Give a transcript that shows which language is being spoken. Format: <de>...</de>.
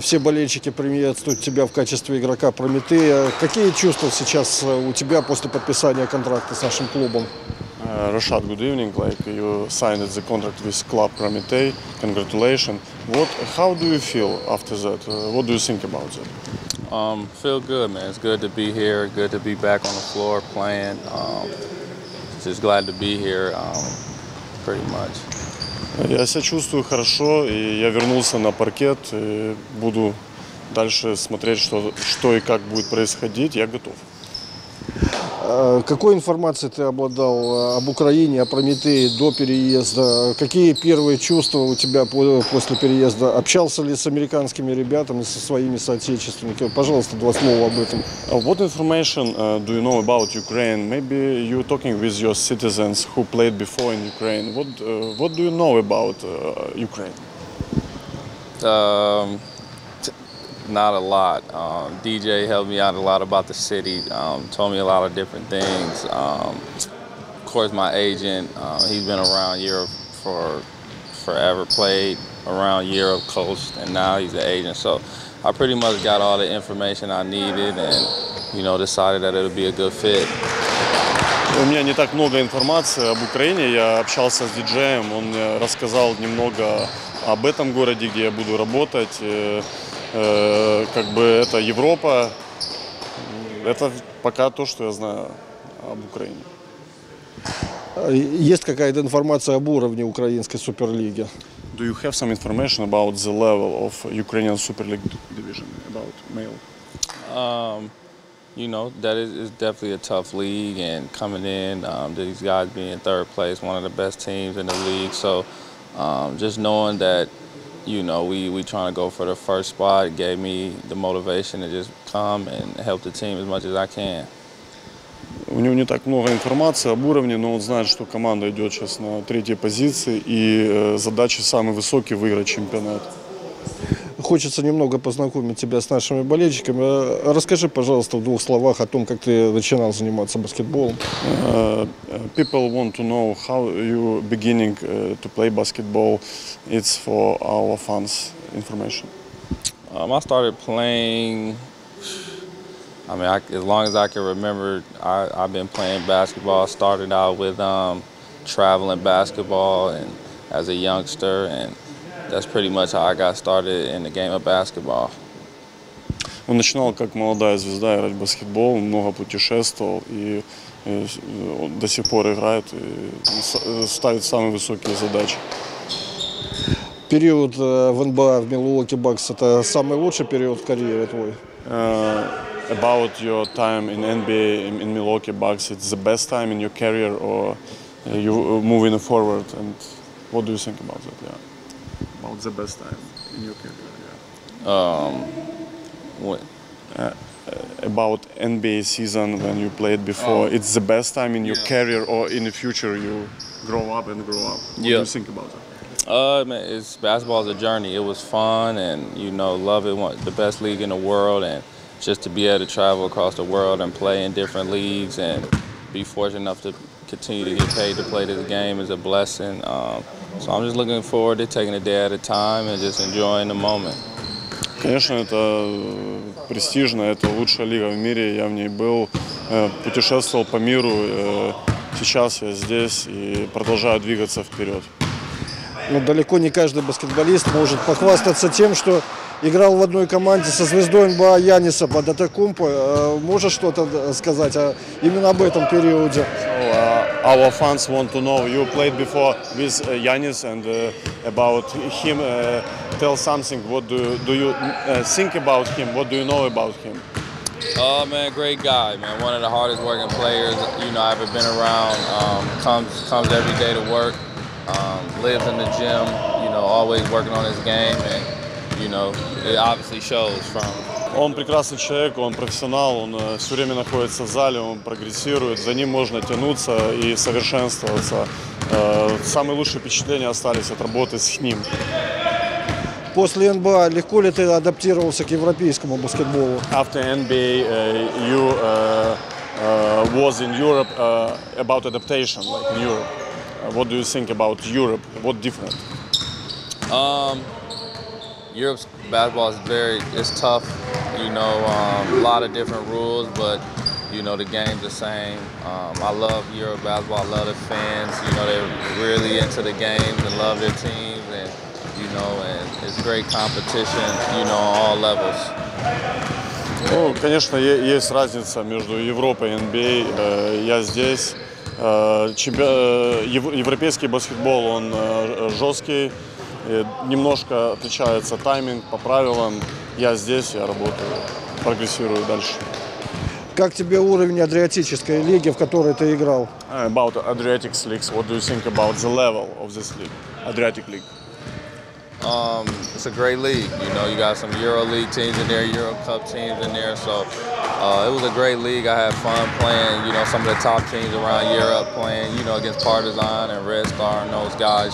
<ru>Все болельщики приветствуют тебя в качестве игрока Прометея. Какие чувства сейчас у тебя после подписания контракта с нашим клубом?</ru> <en>Rashad, good evening. Like you signed the contract with club Prometei. Congratulations. What? How do you feel after that? What do you think about that? Feel good, man. It's good to be here. Good to be back on the floor playing. Just glad to be here. Pretty much.</en> <ru>Я себя чувствую хорошо, и я вернулся на паркет, и буду дальше смотреть, что и как будет происходить. Я готов. Какой информацией ты обладал об Украине, о Прометее до переезда? Какие первые чувства у тебя после переезда? Общался ли с американскими ребятами, со своими соотечественниками? Пожалуйста, два слова об этом.</ru> <en>What information do you know about Ukraine? Maybe you talking with your citizens who played before in Ukraine. What do you know about Ukraine? Not a lot. DJ helped me out a lot about the city, told me a lot of different things. Of course, my agent, he's been around Europe for forever, played around Europe coast, and now he's an agent. So I pretty much got all the information I needed and, you know, decided that it would be a good fit.</en> <ru>У меня не так много информации об Украине. Я общался с диджеем. Он рассказал немного об этом городе, где я буду работать. Как бы это Европа, это пока то, что я знаю об Украине. Есть какая-то информация об уровне украинской суперлиги?</ru> <en>Do you have some information about the level of Ukrainian Super League division about male? You know, that is definitely a tough league, and coming in, these guys being in third place, one of the best teams in the league, so just knowing that. You know, we trying to go for the first spot. It gave me the motivation to just come and help the team as much as I can.</en> <ru>У него не так много информации об уровне, но он знает, что команда идет сейчас на третьей позиции, и задача самый высокий — выиграть чемпионат. Хочется немного познакомить тебя с нашими болельщиками. Расскажи, пожалуйста, в двух словах о том, как ты начинал заниматься баскетболом.</ru> <en>People want to know how you beginning to play basketball. It's for our fans information. I started playing. I mean, as long as I can remember, I've been playing basketball. Started out with traveling basketball and as a youngster and. That's pretty much how I got started in the game of basketball.</en> <ru>Он начинал как молодая звезда играть в баскетбол, много путешествовал, и до сих пор играет, и ставит самые высокие задачи. Период в НБА, в Милуоки Бакс, это самый лучший период в карьере твой?</ru> <en>About your time in NBA, in Milwaukee Bucks, it's the best time in your career, or you moving forward, and what do you think about that? Yeah. About the best time in your career, yeah. About NBA season when you played before, it's the best time in your career or in the future you grow up. What do you think about that? Man, it's basketball is a journey. It was fun and, you know, love it. The best league in the world, and just to be able to travel across the world and play in different leagues and be fortunate enough to continue to get paid to play this game is a blessing. So I'm just looking forward to taking a day at a time and just enjoying the moment.</en> <ru>Конечно, это престижно, это лучшая лига в мире. Я в ней был, путешествовал по миру. Сейчас я здесь и продолжаю двигаться вперед. Но далеко не каждый баскетболист может похвастаться тем, что играл в одной команде со звездой НБА Яниса под Атакумпо. Можешь что-то сказать именно об этом периоде?</ru> <en>Our fans want to know, you played before with Yanis and about him, tell something, what do you think about him, what do you know about him? Oh man, great guy, man, one of the hardest working players, you know, I've ever been around, comes every day to work, lives in the gym, you know, always working on his game, and, you know, it obviously shows from.</en> <ru>Он прекрасный человек, он профессионал, он все время находится в зале, он прогрессирует, за ним можно тянуться и совершенствоваться. Самые лучшие впечатления остались от работы с ним. После НБА легко ли ты адаптировался к европейскому баскетболу?</ru> <en>After NBA, you was in Europe, about adaptation, like in Europe. What do you think about Europe? What different? Europe's basketball is very, it's tough, you know, a lot of different rules, but, you know, the game's the same. I love Europe basketball, I love the fans, you know, they're really into the games and love their teams, and, you know, and it's great competition, you know, on all levels.</en> <ru>Ну, конечно, есть разница между Европой и NBA. Я здесь. Европейский баскетбол, он жесткий. Немножко отличается тайминг по правилам. Я здесь, я работаю, прогрессирую дальше. Как тебе уровень Адриатической лиги, в которой ты играл?</ru> <en>About Adriatic leagues, what do you think about the level of this league, Adriatic league? It's a great league. You know, you got some Euro League teams in there, Euro Cup teams in there. So it was a great league. I had fun playing, you know, some of the top teams around Europe playing, you know, against Partizan and Red Star and those guys.</en>